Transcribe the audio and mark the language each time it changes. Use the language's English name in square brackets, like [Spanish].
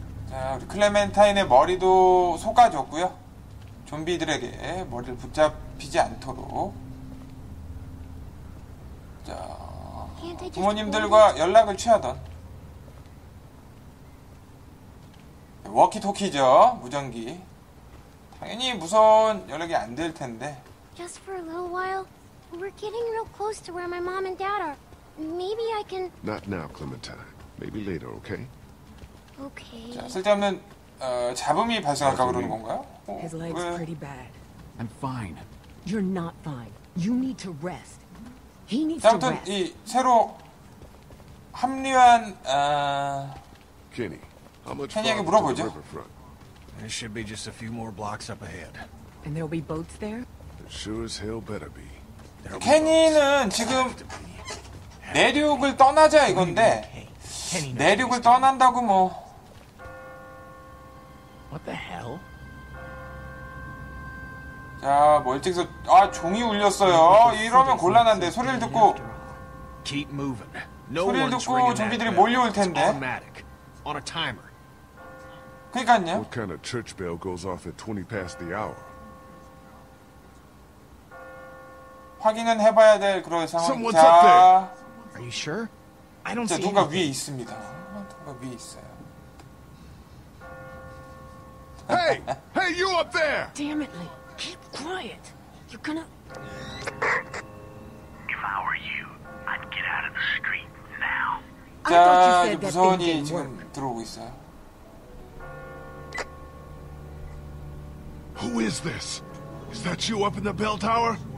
[Korean] 자, 우리 클레멘타인의 머리도 속아줬고요. 좀비들에게 머리를 붙잡히지 않도록. 자, 부모님들과 연락을 취하던 워키토키죠, 무전기. 당연히 무서운 연락이 안 될 텐데. [English] Just for a little while, we're getting real close to where my mom and dad are. Maybe I can. Not now, Clementine. Maybe later, okay? Okay. [Korean] 자, 쓸데없는 잡음이 발생할까 그러는 건가요? [English] His legs are pretty bad. I'm fine. You're not fine. You need to rest. He needs to rest. [Korean] 아무튼 이 새로 합류한 [English] Kenny. How much further to the riverfront? There should be just a few more blocks up ahead. And there'll be boats there? Sure as hell better be. [Korean] Kenny는 지금 내륙을 떠나자 이건데 내륙을 떠난다고 뭐. [English] What the hell? [Korean] 자, 멀찍이서 아, 종이 울렸어요. 이러면 곤란한데 소리를 듣고 [English] Keep moving. [Korean] 소리를 듣고 좀비들이 몰려올 텐데. [English] On a timer. [Korean] 그러니까요. [English] What kind of church bell goes off at 20 past the hour? [Korean] 확인은 해 봐야 될 그런 상황. 자. [English] Are you sure? I don't see. [Korean] 누가 위에 있습니다. 누가 위에 있어요. [English] Hey, hey you up there. Damn it, Lee. Keep quiet. You're gonna. If I were you, I'd get out of the street now. [Korean] 자, 무서운이 지금 들어오고 있어요. [English] Who is this? Is that you up in the bell tower?